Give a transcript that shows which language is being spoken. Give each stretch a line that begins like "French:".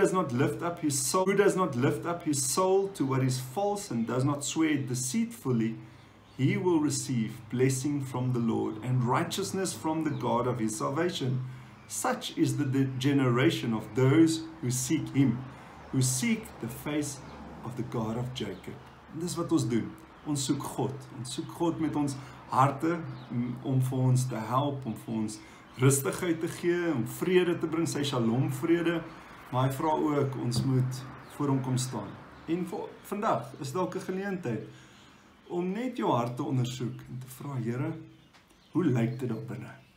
English: Who does not lift up his soul to what is false and does not swear deceitfully, he will receive blessing from the Lord and righteousness from the God of his salvation. Such is the generation of those who seek him, who seek the face of the God of Jacob.
Afrikaans: En dis wat ons doen. Ons soek God. Ons soek God met ons harte om vir ons te help, om vir ons rustigheid te gee, om vrede te bring, sy shalom vrede. Maar hy vra ook, ons moet voor hom kom staan. En vandag is dalk 'n geleentheid om net jou hart te ondersoek en te vra, Here, hoe lyk dit daar binne?